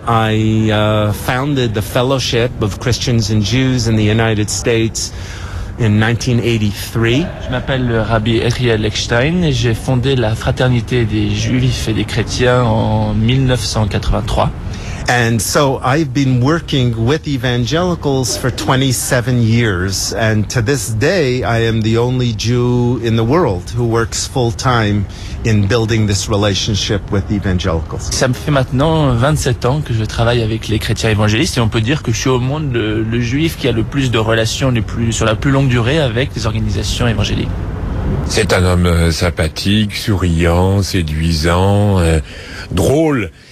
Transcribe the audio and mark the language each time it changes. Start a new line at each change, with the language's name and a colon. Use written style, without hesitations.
English: I founded the Fellowship of Christians and Jews in the United States in 1983.
French: Je m'appelle Rabbi Yechiel Eckstein et j'ai fondé la Fraternité des Juifs et des Chrétiens en 1983.
English: And so I've been working with evangelicals for 27 years, and to this day I am the only Jew in the world who works full time in building this relationship with evangelicals.
French: Ça me fait maintenant 27 ans que je travaille avec les chrétiens évangélistes, et on peut dire que je suis au monde le juif qui a le plus de relations sur la plus longue durée avec les organisations évangéliques. C'est un homme sympathique, souriant, séduisant, drôle.